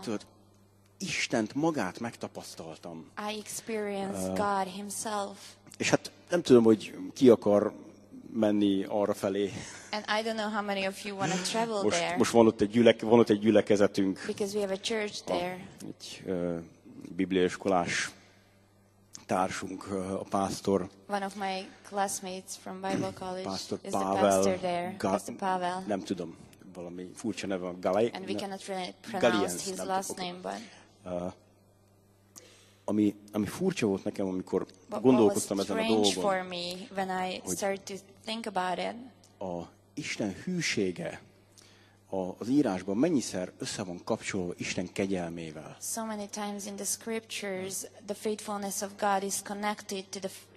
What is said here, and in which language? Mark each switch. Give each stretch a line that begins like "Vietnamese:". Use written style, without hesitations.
Hungarian: Tudod, Istent magát megtapasztaltam.
English: I experienced God himself.
Hungarian: És hát nem tudom, hogy ki akar menni arra felé.
English: And I don't know how many of you want to travel there.
Hungarian: Most van ott egy gyülekezetünk.
English: Because we have a church there.
Hungarian: Egy bibliaiskolás társunk, a pásztor.
English: One of my classmates from Bible College pastor is Pavel, the pastor there. Pastor Pavel.
Hungarian: Nem tudom, valami furcsa neve van.
English: And we cannot really pronounce Galiens, his last name, but...
Hungarian: Ami furcsa volt nekem, amikor gondolkoztam ezen a dolgon.
English: What was strange for me when I started to think about it.
Hungarian: A Isten hűsége az írásban mennyiszer össze van kapcsolva Isten kegyelmével.
English: So many times in the scriptures the faithfulness of God is connected to the